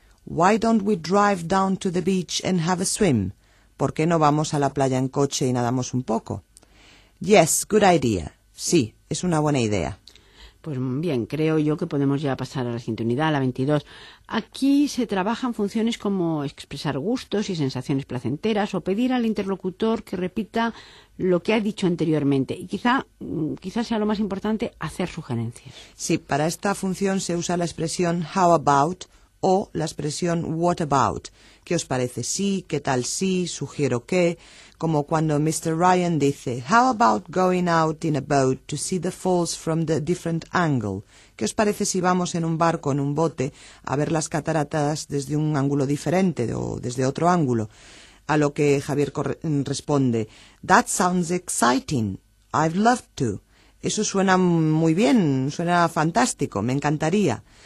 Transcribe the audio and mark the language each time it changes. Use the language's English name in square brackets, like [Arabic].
[English] Why don't we drive down to the beach and have a swim? [Spanish] ¿Por qué no vamos a la playa en coche y nadamos un poco? [English] Yes, good idea. [Spanish] Sí, es una buena idea. Pues bien, creo yo que podemos ya pasar a la siguiente unidad, a la 22. Aquí se trabajan funciones como expresar gustos y sensaciones placenteras o pedir al interlocutor que repita lo que ha dicho anteriormente. Y quizá sea lo más importante, hacer sugerencias. Sí, para esta función se usa la expresión [English] how about [Spanish] o la expresión [English] what about. [Spanish] ¿Qué os parece? Sí, ¿qué tal? Sí, sugiero que. Como cuando Mr. [English] Ryan dice, how about going out in a boat to see the falls from the different angle? [Spanish] ¿Qué os parece si vamos en un barco, en un bote, a ver las cataratas desde un ángulo diferente o desde otro ángulo? A lo que Javier responde, [English] that sounds exciting, I'd love to. [Spanish] Eso suena muy bien, suena fantástico, me encantaría.